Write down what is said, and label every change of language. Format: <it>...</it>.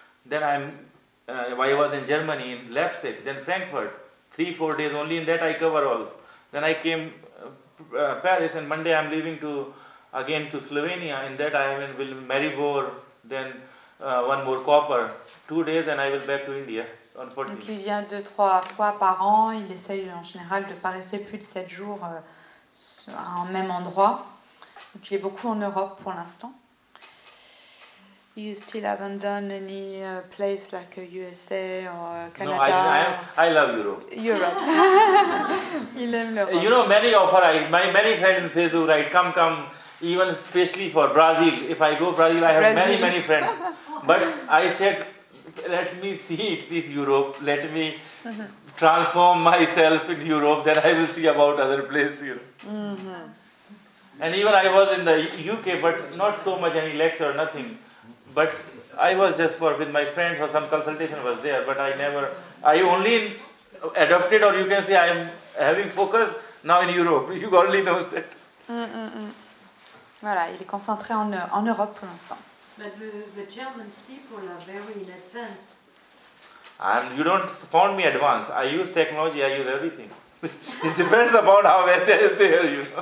<en>Then I was in Germany, in Leipzig, then Frankfurt, 3-4 days only, in that I cover all. Then I came Paris, and Monday I'm leaving to Slovenia, in that I will Maribor, then one more copper, 2 days and I will back to India.</en> <fr>Donc il vient 2-3 fois par an, il essaye en général de ne pas rester plus de 7 jours à un même endroit. Donc il est beaucoup en Europe pour l'instant.</fr> <en>You still haven't done any place like USA or Canada? No, I love Europe.</en> <fr>Europe. Il aime l'Europe.</fr> <en>You know, many offer, many friends in Facebook write, come, even especially for Brazil. If I go Brazil, I have Brazil. many friends. But I said, let me see it is Europe. Let me transform myself in Europe. Then I will see about other places. You know. Mm-hmm. And even I was in the UK, but not so much any lecture, nothing. But I was just with my friends or some consultation was there, but I only adopted, or you can say I am having focus now in Europe. You only know that.</en> <fr>Voilà, il est concentré en Europe pour l'instant.</fr> <en>But the German people are very in advance. And you don't found me advanced. I use technology, I use everything. It depends about how well they are there, you know.</en>